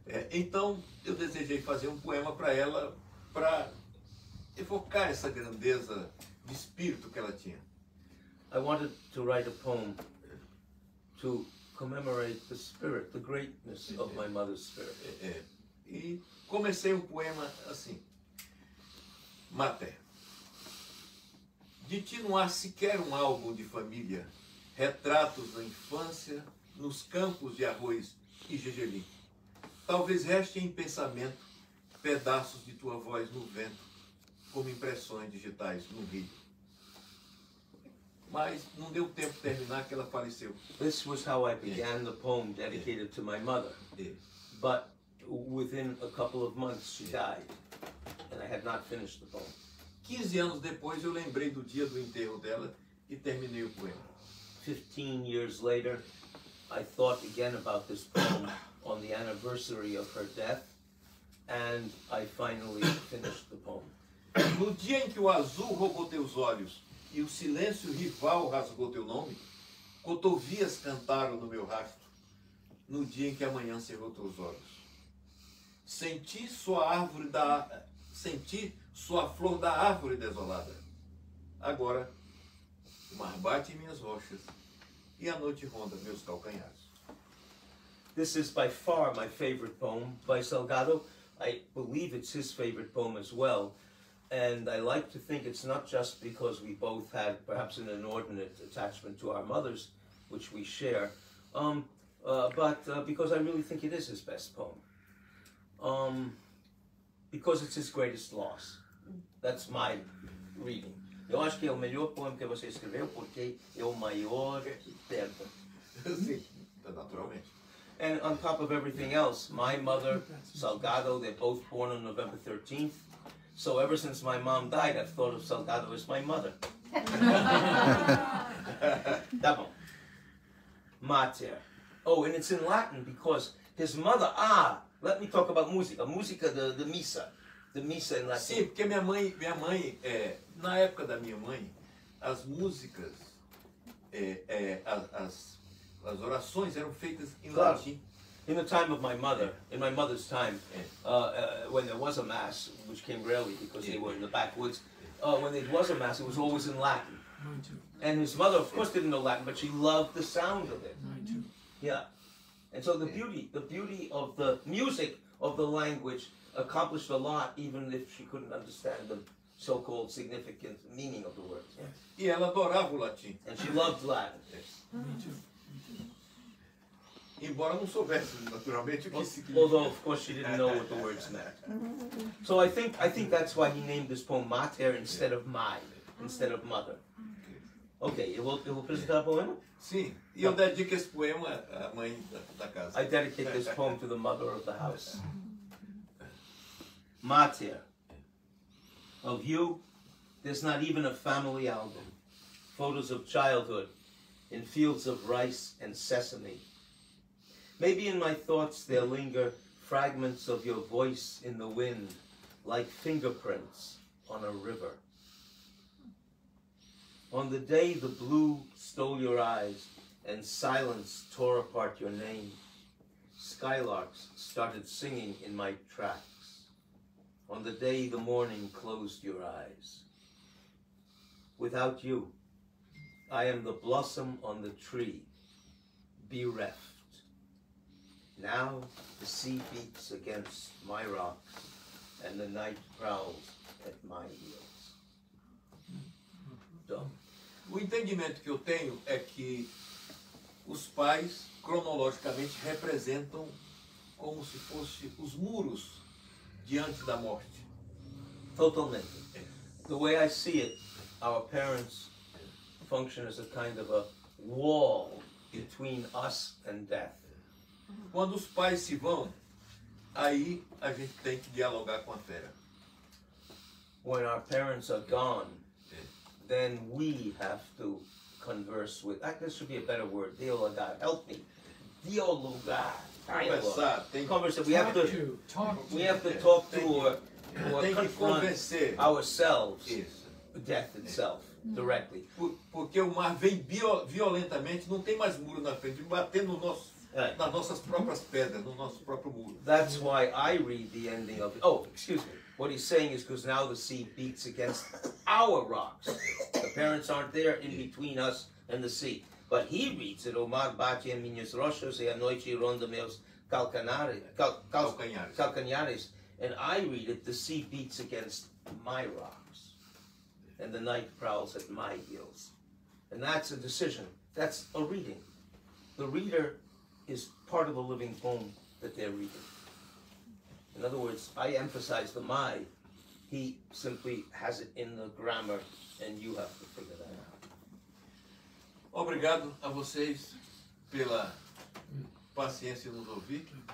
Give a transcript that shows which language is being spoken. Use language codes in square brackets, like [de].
[pt] Então eu desejei fazer um poema para ela, para evocar essa grandeza de espírito que ela tinha. [en] I wanted to write a poem to commemorate the spirit, the greatness of my mother's spirit. [pt] E comecei um poema assim. Mater. De ti não há sequer um álbum de família, retratos da infância, nos campos de arroz e gergelim. Talvez reste em pensamento pedaços de tua voz no vento, como impressões digitais no rio. Mas não deu tempo de terminar que ela faleceu. [en] This was how I began the poem dedicated to my mother. Yes. But within a couple of months she died and I had not finished the poem. [pt] 15 anos depois eu lembrei do dia do enterro dela e terminei o poema. [en] 15 years later I thought again about this poem on the anniversary of her death and I finally finished the poem. [pt] No dia em que o azul roubou teus olhos e o silêncio rival rasgou teu nome, cotovias cantaram no meu rastro, no dia em que amanhã cerrou teus olhos. Senti sua flor da árvore desolada. Agora, o mar bate em minhas rochas e a noite ronda meus calcanhares. [en] This is by far my favorite poem by Salgado. I believe it's his favorite poem as well. And I like to think it's not just because we both had perhaps an inordinate attachment to our mothers, which we share, but because I really think it is his best poem. Because it's his greatest loss. That's my reading. [pt] Eu acho que é o melhor poema que você escreveu porque é o maior perda. Sim, naturalmente. [en] And on top of everything else, my mother, Salgado, they're both born on November 13th. So ever since my mom died, I've thought of Salgado as my mother. [pt] Tá bom. Mater. [en] Oh, and it's in Latin because his mother, let me talk about música. Música, the missa. The missa in Latin. [pt] Sim, porque minha mãe, na época da minha mãe, as músicas, as orações eram feitas em Latim. [en] In the time of my mother, in my mother's time, when there was a mass, which came rarely because they were in the backwoods, when there was a mass, it was always in Latin. Mine too. And his mother, of course, didn't know Latin, but she loved the sound of it. Mine too. Yeah. And so the beauty of the music of the language accomplished a lot, even if she couldn't understand the so-called significant meaning of the words. [pt] Yeah. E ela adorava o Latin. [en] And she loved Latin. Mine too. [pt] Embora não soubesse naturalmente o que significa. [en] Although, of course, she didn't know what the words meant. So I think that's why he named this poem Mater instead of Mai, instead of Mother. [pt] Okay, eu vou apresentar o poema? Sim, e eu dedico esse poema à mãe da casa. [en] I dedicate this poem to the mother of the house. Mater. Of you, there's not even a family album. Photos of childhood in fields of rice and sesame. Maybe in my thoughts there linger fragments of your voice in the wind, like fingerprints on a river. On the day the blue stole your eyes and silence tore apart your name, skylarks started singing in my tracks. On the day the morning closed your eyes. Without you, I am the blossom on the tree, bereft. Now the sea beats against my rocks and the night prowls at my heels. [pt] O entendimento que eu tenho é que os pais cronologicamente representam como se fossem os muros diante da morte. Totalmente. [en] The way I see it, our parents function as a kind of a wall between us and death. [pt] Quando os pais se vão, aí a gente tem que dialogar com a fera. [en] When our parents are gone, then we have to converse with. This should be a better word. Dialogar. Help me. Dialogar. [pt] Conversar. Tem [en] conversar. We have to talk. We have to talk to or confront ourselves. [pt] Isso. [en] Death itself. Directly. [pt] Porque o mar vem violentamente, não tem mais muro na frente, batendo no nosso. Nas nossas próprias pedras, no nosso próprio muro. [en] That's why I read the ending of it. Oh, excuse me. What he's saying is because now the sea beats against our rocks. The parents aren't there in between us and the sea. But he reads it, [pt] Omar bate em minhas rochas e a noite ronda meus calcanhares. [en] And I read it, the sea beats against my rocks. And the night prowls at my heels. And that's a decision. That's a reading. The reader is part of the living poem that they're reading. In other words, I emphasize the my, he simply has it in the grammar, and you have to figure that out. [pt] Obrigado a vocês pela paciência em nos ouvir.